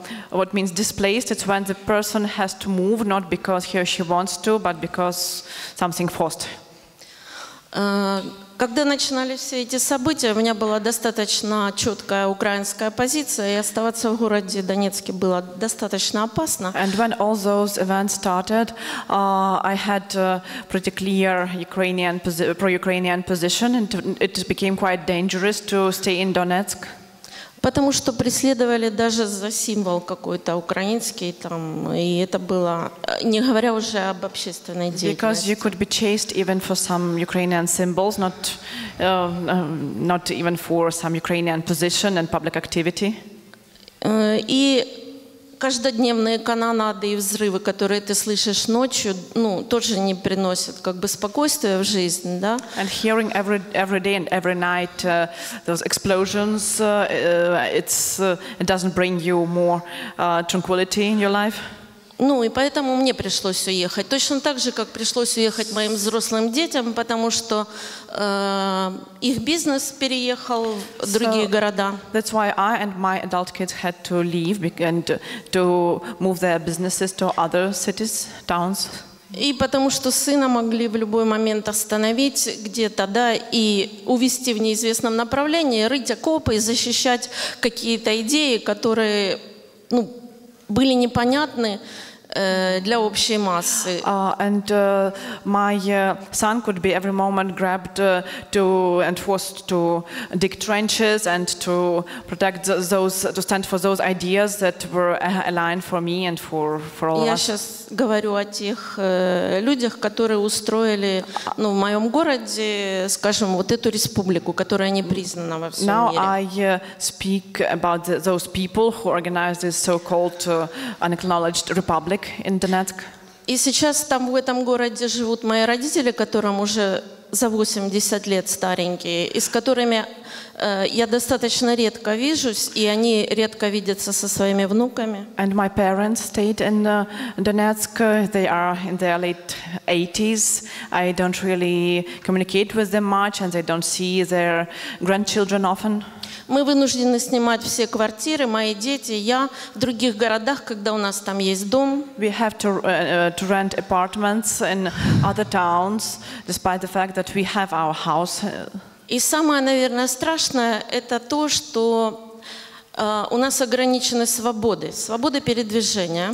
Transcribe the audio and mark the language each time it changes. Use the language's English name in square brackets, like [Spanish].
[English] What means displaced, it's when the person has to move, not because he or she wants to, but because something forced. [Russian] Когда начинались все эти события, у меня была достаточно четкая украинская позиция, и оставаться в городе Донецке было достаточно опасно. [English] And when all those events started, I had a pretty clear Ukrainian pro-Ukrainian position, and it became quite dangerous to stay in Donetsk. [Russian] Потому что преследовали даже за символ какой-то украинский там, и это было, не говоря уже об общественной деятельности. [English] Because you could be chased even for some Ukrainian symbols, not even for some Ukrainian position and public activity. [Russian] И каждодневные канонады и взрывы, которые ты слышишь ночью, ну, тоже не приносят как бы спокойствия в жизнь, да? [English] And hearing every day and every night those explosions, it doesn't bring you more tranquility in your life. [Russian] Ну, и поэтому мне пришлось уехать. Точно так же, как пришлось уехать моим взрослым детям, потому что их бизнес переехал в другие города. [English] That's why I and my adult kids had to leave and to move their businesses to other cities, towns. [Russian] И потому что сына могли в любой момент остановить где-то, да, и увести в неизвестном направлении, рыть окопы и защищать какие-то идеи, которые, ну, были непонятны для общей массы. [English] My son could be every moment grabbed and forced to dig trenches and to protect to stand for those ideas that were aligned for me and for all us. [Russian] Я сейчас говорю о тех людях, которые устроили, ну, в моем городе, скажем, вот эту республику, которая не признана во всем мире. [English] Now I speak about those people who organized this so-called unacknowledged republic. [Russian] И сейчас там в этом городе живут мои родители, которым уже за 80 лет старенькие, и с которыми я достаточно редко вижусь, и они редко видятся со своими внуками. [English] And my parents stayed in Donetsk. They are in their late 80s. I don't really communicate with them much, and they don't see their grandchildren often. [Russian] Мы вынуждены снимать все квартиры, мои дети, я, в других городах, когда у нас там есть дом. [English] We have to rent apartments in other towns, despite the fact that we have our house. [Russian] И самое, наверное, страшное, это то, что у нас ограничены свободы, свободы передвижения.